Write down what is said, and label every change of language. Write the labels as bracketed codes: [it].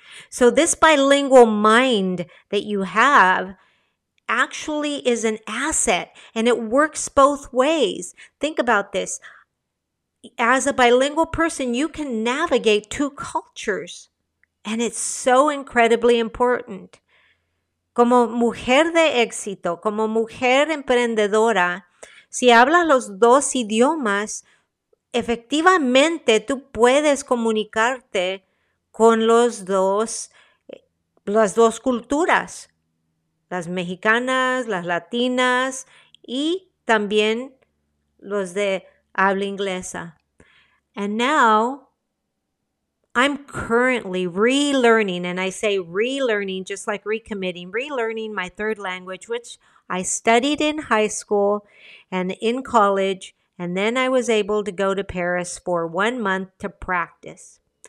[en] So this bilingual mind that you have actually is an asset, and it works both ways. Think about this. As a bilingual person, you can navigate two cultures, and it's so incredibly important. [es] Como mujer de éxito, como mujer emprendedora, si hablas los dos idiomas, efectivamente tú puedes comunicarte con las dos culturas, las mexicanas, las latinas y también los de habla inglesa. [en] And now I'm currently relearning, and I say relearning just like recommitting, relearning my third language, which I studied in high school and in college, and then I was able to go to Paris for 1 month to practice.